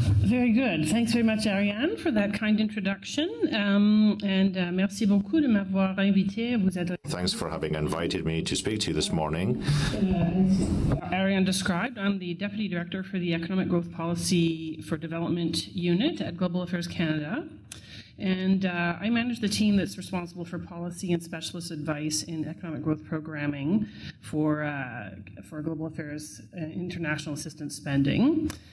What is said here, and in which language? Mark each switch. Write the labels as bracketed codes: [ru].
[en] Very good. Thanks very much, Arjan, for that kind introduction. [fr] And merci beaucoup de m'avoir invité à vous adresser. [en] Thanks for having invited me to speak to you this morning. Arjan described, I'm the Deputy Director for the Economic Growth Policy for Development Unit at Global Affairs Canada. And I manage the team that's responsible for policy and specialist advice in economic growth programming for Global Affairs international assistance spending.